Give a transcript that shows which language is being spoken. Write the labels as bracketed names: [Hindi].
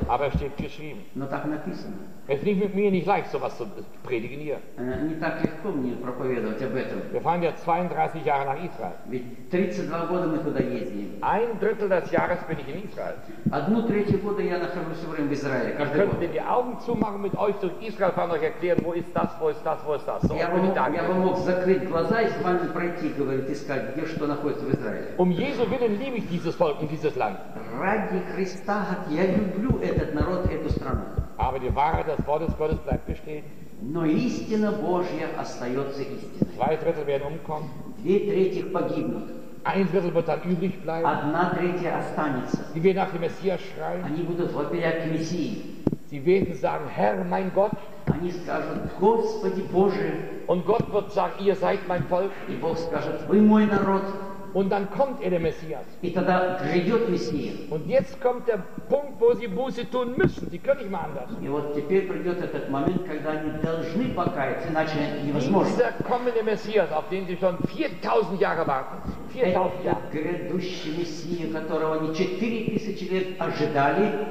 [German] Aber es steht geschrieben. [Russian] Но так написано. [German] Es liegt mit mir nicht leicht, sowas zu predigen hier. [Russian] Не так легко мне проповедовать об этом. [German] Wir fahren ja 32 Jahre nach Israel. [Russian] Ведь 32 года мы туда ездим. [German] Ein Drittel des Jahres bin ich in Israel. [Russian] Одну треть года я нахожусь в Израиле. [German] Ich könnte die Augen zumachen mit euch durch Israel fahren, euch erklären, wo ist das, wo ist das, wo ist das. So, [Russian] я бы мог закрыть глаза и с вами пройти, говорит, искать, где что находится в Израиле. [German] Um Jesu willen liebe ich dieses Volk und dieses Land. [Russian] Ради Христа я люблю этот народ, эту страну. [German] Aber die Wahrheit des Wortes Gottes bleibt bestehen. [Russian] Но истина Божья остается истиной. [German] Zwei Drittel werden umkommen. [Russian] Две трети погибнут. [German] Ein Drittel wird dann übrig bleiben. [Russian] Одна треть останется. [German] Die werden nach dem Messias schreien. [Russian] Они будут вопиять к Мессии. [German] Sie werden sagen, Herr, mein Gott. [Russian] Они скажут, Господи Боже. [German] Und Gott wird sagen, ihr seid mein Volk. [Russian] И Бог скажет, вы мой народ. [German] Und dann kommt der Messias. [Russian] И тогда придет Мессия. [German] Und jetzt kommt der Punkt, wo sie Buße tun müssen. Sie können nicht mehr anders. [Russian] И вот теперь придет этот момент, когда они должны покаяться, иначе невозможно. [German] Dieser kommende Messias, auf den sie schon 4000 Jahre warten. 4000 Jahre. [Russian] Это грядущий Мессия, которого они 4000 лет ожидали.